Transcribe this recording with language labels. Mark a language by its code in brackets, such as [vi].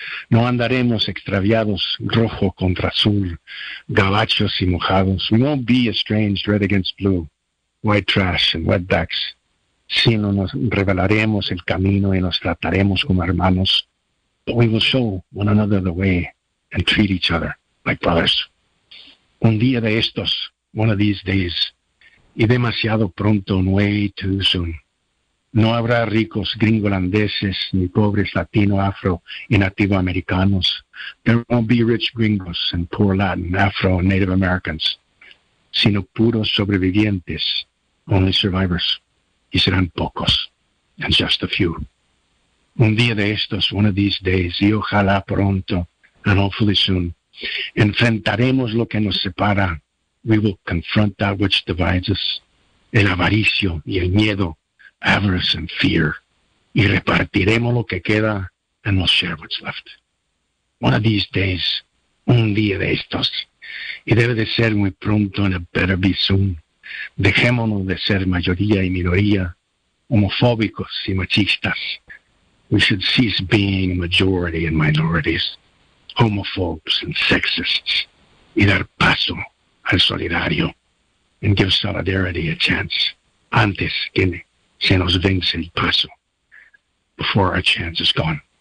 [es] No andaremos extraviados, rojo contra azul, gabachos y mojados. [en] We won't be estranged, red against blue, white trash and wetbacks. [es] Sino nos revelaremos el camino y nos trataremos como hermanos. [en] But we will show one another the way and treat each other like brothers. [es] Un día de estos, [en] one of these days, [es] y demasiado pronto, [en] and way too soon. [es] No habrá ricos gringolandeses ni pobres latino, afro y nativo americanos. [en] There won't be rich gringos and poor Latin, afro and native Americans. [es] Sino puros sobrevivientes, [en] only survivors. [es] Y serán pocos, [en] and just a few. [es] Un día de estos, [en] one of these days, [es] y ojalá pronto, [en] and hopefully soon, [es] enfrentaremos lo que nos separa. [en] We will confront that which divides us. [es] El avaricio y el miedo, [en] avarice and fear. [es] Y repartiremos lo que queda, [en] and we'll share what's left. One of these days, [es] un día de estos, y debe de ser muy pronto, [en] and it better be soon. [es] Dejémonos de ser mayoría y minoría, homofóbicos y machistas. [en] We should cease being majority and minorities, homophobes and sexists, [es] y dar paso al solidario. [en] and give solidarity a chance [es] antes que se nos vence el paso, [en] before our chance is gone.